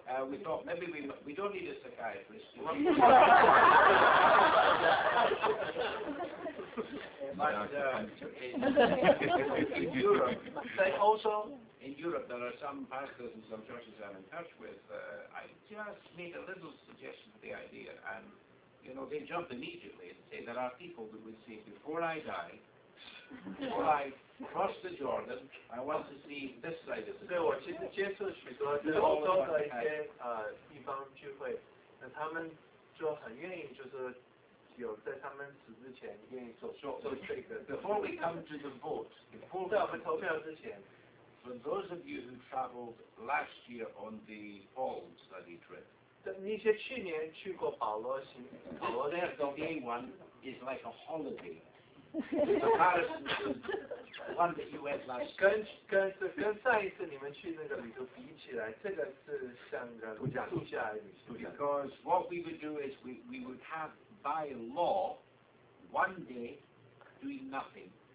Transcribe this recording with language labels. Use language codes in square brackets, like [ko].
[en] We thought maybe we don't need a psychiatrist. in Europe, there are some pastors and some churches I'm in touch with. I just made a little suggestion to the idea, and you know, they jumped immediately and say there are people that would say, before I die, before I. Cross the Jordan. I want to see this side of the. [zh] 对，我其实接触许多欧洲的一些地方聚会，那他们就很愿意，就是有在他们死之前愿意做这个。 [en] Before we come to the vote, [zh] before 在我们投票之前 [en] for those of you who traveled last year on the Paul study trip, their day one is like a holiday. Because what we would do is we would have by law one day doing nothing,